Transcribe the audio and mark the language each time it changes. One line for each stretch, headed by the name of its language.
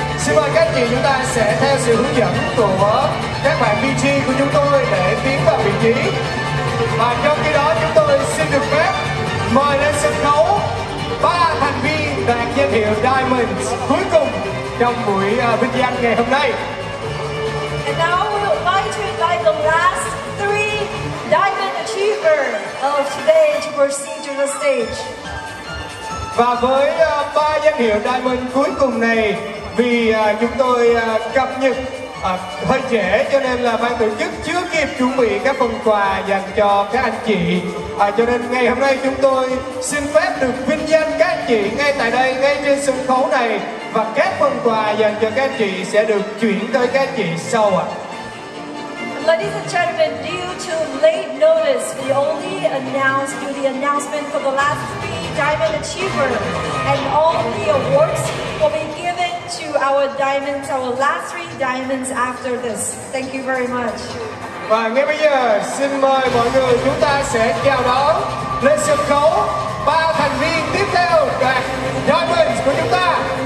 Vietnamese: Xin mời các chị chúng ta sẽ theo sự hướng dẫn của các bạn PG của chúng tôi để tiến vào vị trí. Và trong khi đó chúng tôi xin được phép mời lên sân khấu ba thành viên đoàn danh hiệu Diamonds cuối cùng trong buổi vinh danh ngày hôm nay.
English: And now we would like to invite the last three Diamond Achiever of today to proceed to the stage.
Vietnamese: Và với ba danh hiệu Diamond cuối cùng này, vì chúng tôi cập nhật hơi trễ cho nên là ban tổ chức chưa kịp chuẩn bị các phần quà dành cho các anh chị. Cho nên ngày hôm nay chúng tôi xin phép được vinh danh các anh chị ngay tại đây, ngay trên sân khấu này. Và các phần quà dành cho các anh chị sẽ được chuyển tới các anh chị sau ạ.
English: Ladies and gentlemen, due to late notice, we only announced the announcement for the last three Diamond Achiever, and all the awards will be given to our Diamonds, our last three Diamonds after this. Thank you very much.
Vietnamese: Và ngay bây giờ, xin mời mọi người chúng ta sẽ chào đón lên sân khấu ba thành viên tiếp theo đoàn Diamonds của chúng ta.